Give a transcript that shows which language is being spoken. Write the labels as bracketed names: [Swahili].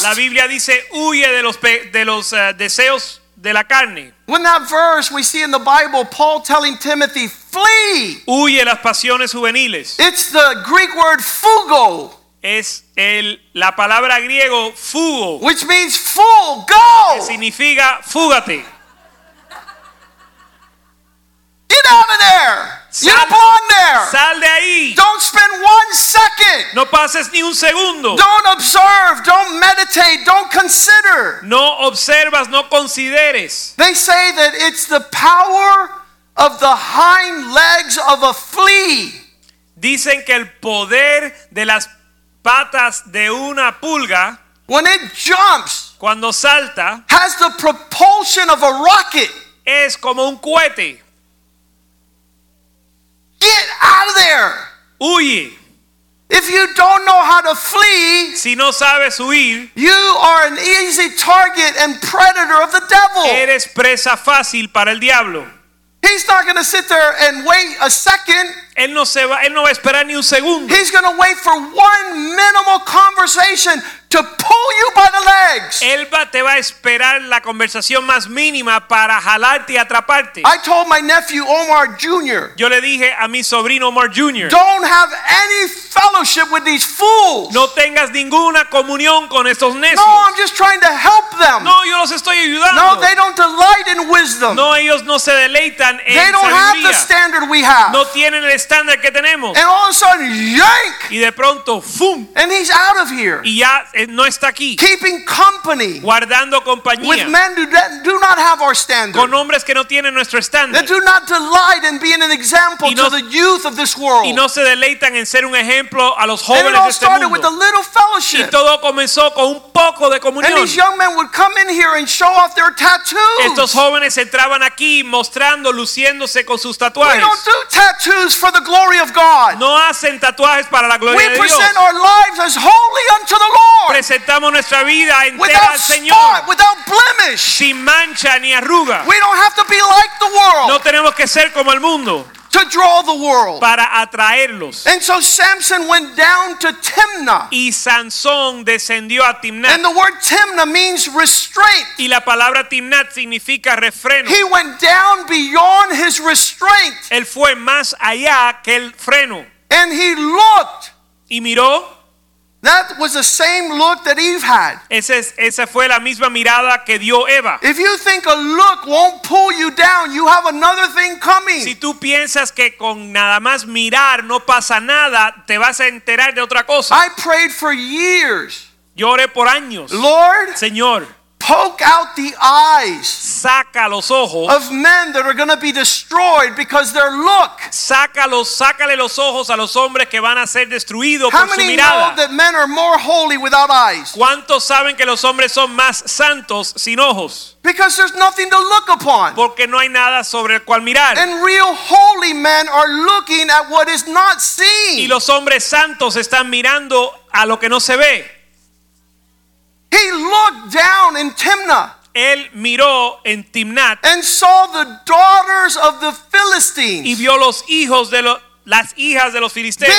[Spanish] La Biblia dice huye de los deseos de la carne. [English] In that verse we see in the Bible Paul telling Timothy flee. [Spanish] Huye las pasiones juveniles. [English] It's the Greek word fugo. [Spanish] Es la palabra griego fugo. [English] Which means fool, go. [Spanish] Que significa fúgate. [English] Get out of there. You don't belong there. [Spanish] Sal de ahí. [English] Don't spend 1 second. [Spanish] No pases ni un segundo. [English] Don't observe. Don't meditate. Don't consider. [Spanish] No observas, no consideres. [English] They say that it's the power of the hind legs of a flea. [Spanish] Dicen que el poder de las patas de una pulga, [English] when it jumps, [Spanish] cuando salta, [English] has the propulsion of a rocket. [Spanish] Es como un cohete. [English] Get out of there. [Spanish] Huye. [English] If you don't know how to flee, [Spanish] si no sabes huir, [English] you are an easy target and predator of the devil. [Spanish] Eres presa fácil para el diablo. [English] He's not going to sit there and wait a second. [Spanish] Él no va a esperar ni un segundo. [English] He's going to wait for one minimal conversation to pull you by the legs. [Spanish] Te va a esperar la conversación más mínima para jalarte y atraparte. [English] I told my nephew Omar Jr. [Spanish] Yo le dije a mi sobrino Omar Jr. [English] Don't have any fellowship with these fools. [Spanish] No tengas ninguna comunión con estos necios. [English] No, I'm just trying to help them. [Spanish] No, yo los estoy ayudando. [English] No, they don't delight in wisdom. [Spanish] No, ellos no se deleitan en [English] sabiduría. They don't have the standard we have. [Spanish] No tienen el estándar que tenemos. [English] And all of a sudden, yank. [Spanish] Y de pronto, ¡fum! [English] And he's out of here. [Spanish] Y ya no está aquí. [English] Keeping company. [Spanish] Guardando compañía. [English] With men who do not have our standard. [Spanish] Con hombres que no tienen nuestro estándar. [English] That do not delight in being an example to the youth of this world. [Spanish] Y no se deleitan en ser un ejemplo a los jóvenes de este mundo. [English] And it all started with a little fellowship. [Spanish] Y todo comenzó con un poco de comunión. [English] And these young men would come in here and show off their tattoos. [Spanish] Estos jóvenes entraban aquí mostrando, luciéndose con sus tatuajes. [English] We don't do tattoos for the glory of God. [Spanish] No hacen tatuajes para la gloria de Dios. [English] We present our lives as holy unto the Lord. [Spanish] Presentamos nuestra vida entera [English] without [Spanish] al Señor, [English] spot, without blemish. [Spanish] Sin mancha ni arruga. [English] We don't have to be like the world. [Spanish] No tenemos que ser como el mundo. [English] To draw the world. [Spanish] Para atraerlos. [English] And so Samson went down to Timnah. [Spanish] Y Sansón descendió a Timnah. [English] And the word Timnah means restraint. [Spanish] Y la palabra Timnah significa refreno. [English] He went down beyond his restraint. [Spanish] Él fue más allá que el freno. [English] And he looked. [Spanish] Y miró. [English] That was the same look that Eve had. [Spanish] Esa fue la misma mirada que dio Eva. [English] If you think a look won't pull you down, you have another thing coming. [Spanish] Si tú piensas que con nada más mirar no pasa nada, te vas a enterar de otra cosa. [English] I prayed for years. [Spanish] Yo oré por años. [English] Lord, [Spanish] Señor, [English] poke out the eyes. [Spanish] Saca los ojos [English] of men that are going to be destroyed because their look. [Spanish] Sácale los ojos a los hombres que van a ser destruidos por su mirada. [English] How many know that men are more holy without eyes? [Spanish] ¿Cuántos saben que los hombres son más santos sin ojos? [English] Because there's nothing to look upon. [Spanish] Porque no hay nada sobre el cual mirar. [English] And real holy men are looking at what is not seen. [Spanish] Y los hombres santos están mirando a lo que no se ve. [English] He looked down in Timnah. [Spanish] Él miró en Timnat. [English] And saw the daughters of the Philistines. [Spanish] Y vio los hijos de las hijas de los filisteos.